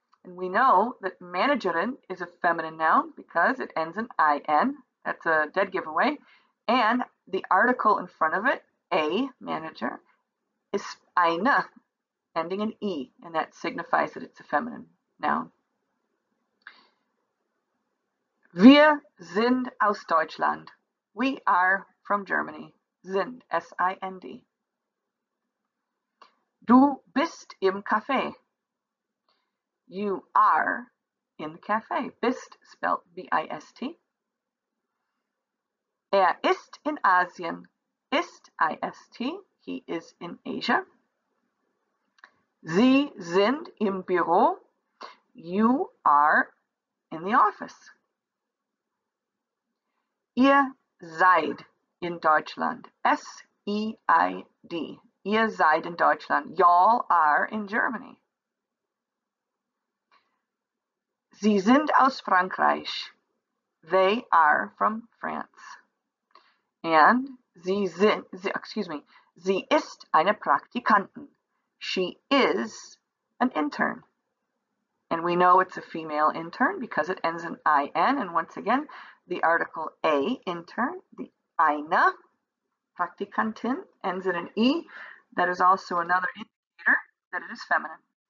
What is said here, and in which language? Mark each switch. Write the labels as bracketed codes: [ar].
[en] And we know that managerin is a feminine noun because it ends in IN. That's a dead giveaway. And the article in front of it, a manager, is eine, ending in E, and that signifies that it's a feminine noun. [de] Wir sind aus Deutschland. [en] We are from Germany. Sind, S-I-N-D. [de] Du bist im Café. [en] You are in the cafe. Bist, spelled B-I-S-T. [de] Ist in Asien. [en] Ist, I-S-T. He is in Asia. [de] Sie sind im Büro. [en] You are in the office. [de] Ihr seid in Deutschland. S-E-I-D. Ihr seid in Deutschland. [en] Y'all are in Germany. [de] Sie sind aus Frankreich. [en] They are from France. And sie sind, sie, excuse me, [de] sie ist eine Praktikantin. [en] She is an intern. And we know it's a female intern because it ends in I-N. And once again, the article A, intern, the eine, Praktikantin, ends in an E. That is also another indicator that it is feminine.